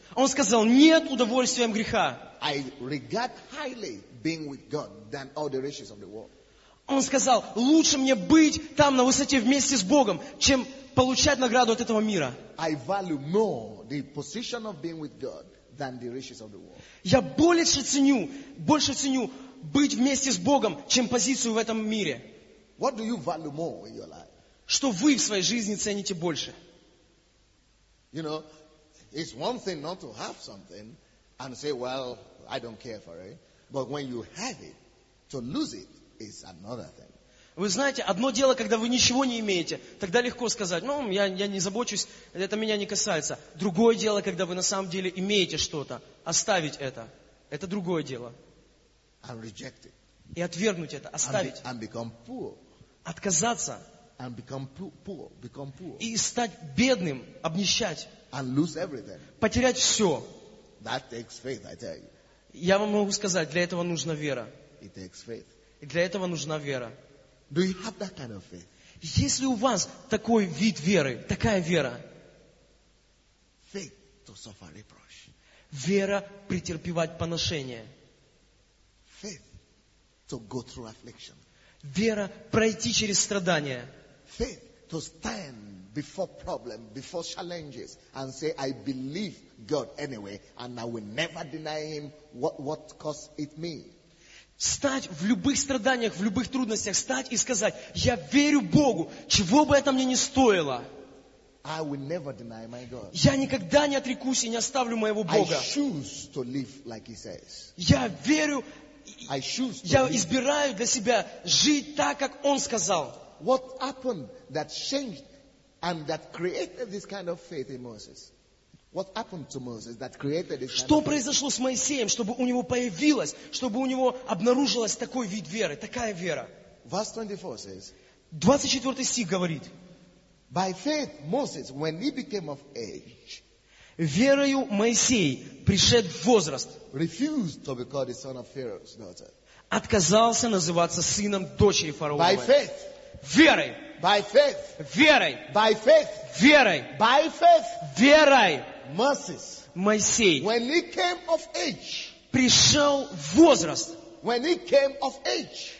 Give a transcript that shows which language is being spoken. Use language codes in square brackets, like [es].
[ru] Он сказал нет удовольствиям греха. [en] I regard highly being with God than all the riches of the world. [ru] Он сказал лучше мне быть там на высоте вместе с Богом, чем получать награду от этого мира. [en] I value more the position of being with God than the riches of the world. [ru] Я больше ценю быть вместе с Богом, чем позицию в этом мире. [en] What do you value more in your life? [ru] Что вы в своей жизни цените больше? [en] You know, it's one thing not to have something and say, well, I don't care for it. But when you have it, to lose it is another thing. [ru] Вы знаете, одно дело, когда вы ничего не имеете, тогда легко сказать, ну, я не забочусь, это меня не касается. Другое дело, когда вы на самом деле имеете что-то, оставить это другое дело. [en] And reject it. [ru] И отвергнуть это, оставить. [en] And become poor. [ru] Отказаться. [en] And become poor. [ru] И стать бедным, обнищать. [en] And lose everything. [ru] Потерять все. [en] That takes faith, I tell you. [ru] Я вам могу сказать, для этого нужна вера. [en] It takes faith. [ru] И для этого нужна вера. [en] Do you have that kind of faith? [ru] Есть ли у вас такой вид веры, такая вера? [en] faith to suffer reproach. [ru] Вера претерпевать поношение. [en] Faith to go through affliction. [ru] Вера пройти через страдания. [en] Faith to stand before problems, before challenges, and say, I believe God anyway, and I will never deny Him what cost it me. [ru] Стать в любых страданиях, в любых трудностях, стать и сказать, я верю Богу, чего бы это мне ни стоило. [en] I will never deny my God. [ru] Я никогда не отрекусь и не оставлю моего Бога. [en] I choose to live like He says. [ru] Я верю, [en] I choose to [ru] я [en] live. [ru] Избираю для себя жить так, как Он сказал. [en] What happened that changed and that created this kind of faith in Moses? What happened to Moses that created this? [ru] Что произошло с Моисеем, чтобы у него появилось, чтобы у него обнаружилась такой вид веры, такая вера? [en] Verse 24 says. [ru] 24 стих говорит. [en] By faith Moses, when he became of age. [ru] Верою Моисей пришед в возраст. [en] Refused to be called the son of Pharaoh's daughter. [ru] Отказался называться сыном дочери фараона. [en] By faith. [ru] Верой. [en] By faith. [ru] Верой. [en] By faith. [ru] Верой. [en] By faith. [ru] Верой. [en] Moses. [ru] Моисей. [en] When he came of age. [ru] Пришел в возраст. [en] When he came of age.